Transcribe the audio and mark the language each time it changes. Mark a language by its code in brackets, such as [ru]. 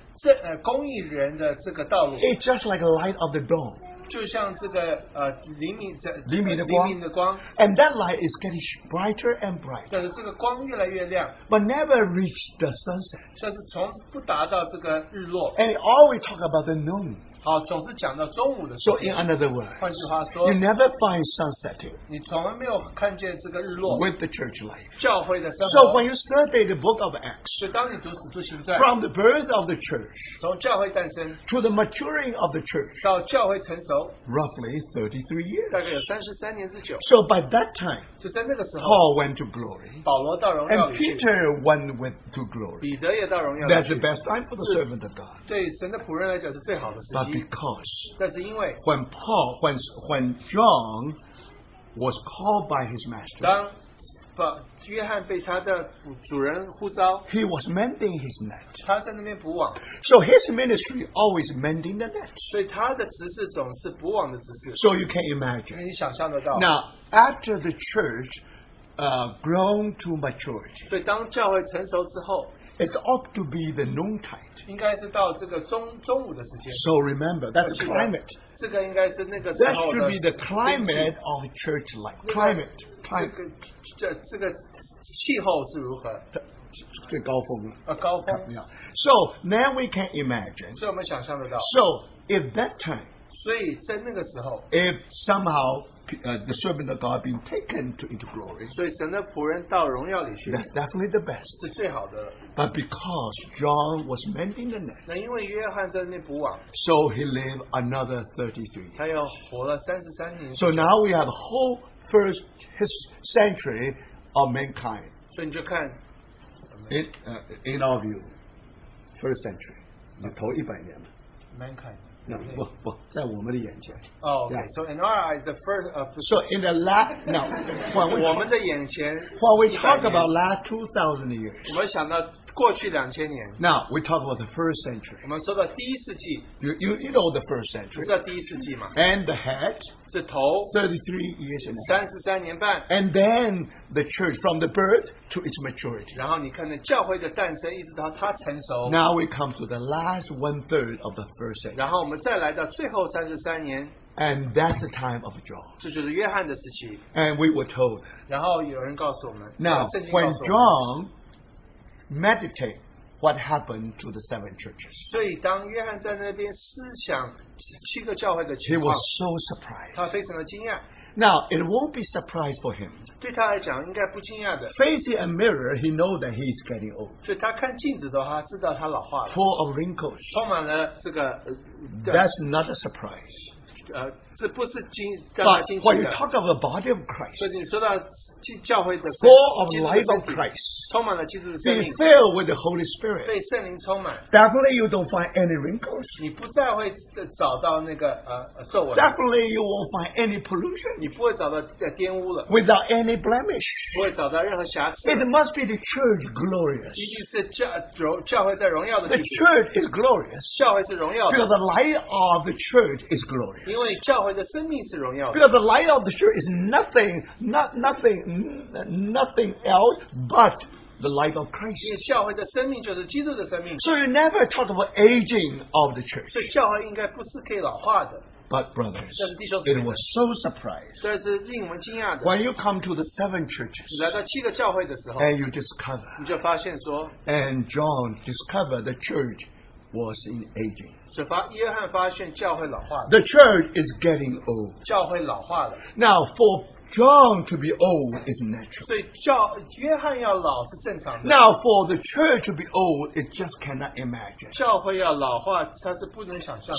[zh] 就是公义人的这个道路, [en] it's just like a light of the dawn. [zh] 就像这个, 黎明的光, [en] and that light is getting brighter and brighter, [zh] 这个光越来越亮, [en] but never reach the sunset. [zh] 就是从不达到这个日落, [en] and always talk about the noon. [zh] 好, [en] so in another word, [zh] 换句话说, [en] you never find sunsetting [zh] 你从来没有看见这个日落, [en] with the church life. [zh] 教会的生活, [en] so when you study the book of Acts, [zh] 就当你读使徒行传, [en] from the birth of the church [zh] 从教会诞生, [en] to the maturing of the church, [zh] 到教会成熟, [en] roughly 33 years. [zh] 大概有33年之久, [en] so by that time, [zh] 就在那个时候, [en] Paul went to glory, [zh] 保罗到荣耀里去, [en] and Peter went to glory. [zh] 彼得也到荣耀里去, [en] that's the best time for the servant of God. [zh] 对神的仆人来讲是最好的时候. [en] But because [zh] 但是因为, [en] when John was called by his master, [zh] 当约翰被他的主人呼召, [en] he was mending his net. [zh] 他在那边补网, [en] so his ministry always mending the net. [zh] 所以他的执事总是补网的执事, [en] so you can imagine. [zh] 因为你想象得到, [en] now, after the church grown to maturity, [zh] 所以当教会成熟之后, [en] it ought to be the noontide. [zh] 应该是到这个中午的时间。 [en] So remember, that's the climate. [zh] 这个应该是那个时候的, [en] that should be the climate of church life. Climate. Climate. [zh] 这个气候是如何? 最高峰。高峰。 [en] Yeah. So now we can imagine. [zh] 所以我们想象得到, [en] so at that time, [zh] 所以在那个时候, [en] if somehow the servant of God being taken into glory, [zh] 所以神的仆人到荣耀里去, [en] that's definitely the best. [zh] 是最好的, [en] but because John was mending the net, [zh] 那因为约翰在那边补网, [en] so he lived another 33 years. [zh] 他又活了33年, [en] so now we have a whole first century of mankind [zh] 所以你就看 [en] in our view first century [zh] 你头一百年嘛 [en] mankind [zh] no, 不不在我们的眼前 [en] so in our eyes the first of the so in the last no [zh] 我们的眼前 [en] when we talk about last 2000 years [zh] 我们想到过去2000年 [en] now we talk about the first century [zh] 我们说到第一世纪 [en] you know the first century [zh] 你知道第一世纪吗 [en] and the head [zh] 是头 [en] 33 years and [zh] 33年半 [en] and then the church from the birth to its maturity [zh] 然后你看到教会的诞生一直到它成熟 [en] now we come to the last one third of the first century [zh] 然后我们再来到最后33年 [en] and that's the time of John [zh] 这就是约翰的时期 [en] and we were told [zh] 然后有人告诉我们 [en] now when John meditate what happened to the seven churches. [zh] 所以当约翰在那边思想七个教会的情况 [en] He was so surprised. [zh] 他非常的惊讶。 [en] Now, it won't be surprised for him. [zh] 对他来讲应该不惊讶的。 [en] Facing a mirror, he knows that he's getting old. [zh] 所以他看镜子的话知道他老化了。 [en] Full of wrinkles. [zh] 充满了这个 [en] That's not a surprise. [zh] 这不是惊让他惊奇的。 [en] But when you talk of the body of Christ, [zh] 所以你说到教会的身体, [en] full of life of Christ, [zh] 充满了基督的生命, [en] being filled with the Holy Spirit, [zh] 被圣灵充满, [en] definitely you don't find any wrinkles, [zh] 你不再会找到那个, 皱纹, [en] definitely you won't find any pollution, [zh] 你不会找到玷污了, [en] without any blemish, [zh] 不会找到任何瑕疵, [en] it must be the church glorious, [zh] 一定是教会在荣耀的地方, [en] the church is glorious, [zh] 教会是荣耀的, [en] because the light of the church is glorious, [zh] 因为教会的生命是荣耀的, [en] because the light of the church is nothing else but the life of Christ. [zh] 因为教会的生命就是基督的生命。 [en] So you never talk about aging of the church. [zh] 所以教会应该不是可以老化的。 [en] But brothers, [zh] 但是弟兄姊 [en] 妹, it was so surprised. [zh] 这是令我们惊讶的。 [en] When you come to the seven churches, [zh] 来到七个教会的时候, [en] and you discover, [zh] 你就发现说, [en] and John discovered the church was in aging. [zh] 所以约翰发现教会老化了。 [en] The church is getting old. [zh] 教会老化了。 [en] Now for John to be old is natural. [zh] 所以教约翰要老是正常的。 [en] Now for the church to be old, it just cannot imagine. [zh] 教会要老化，它是不能想象的。